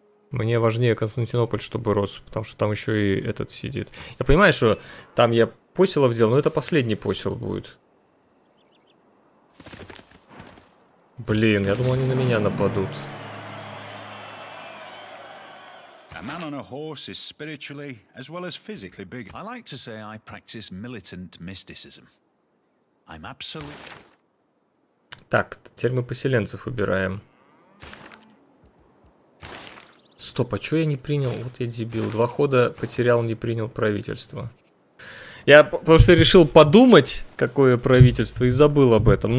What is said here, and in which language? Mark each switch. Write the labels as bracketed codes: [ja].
[ru] Мне важнее Константинополь, чтобы рос. Потому что там еще и этот сидит. Я понимаю, что там я поселов делал, но это последний посел будет. Блин, я думал, они на меня нападут. [en] A man on a horse is spiritually as well as physically big. I like to say I practice militant mysticism. I'm absolutely... [ru] Так, теперь мы поселенцев убираем. Стоп, а чё я не принял? Вот я дебил. Два хода потерял, не принял правительство. Я просто решил подумать, какое правительство, и забыл об этом.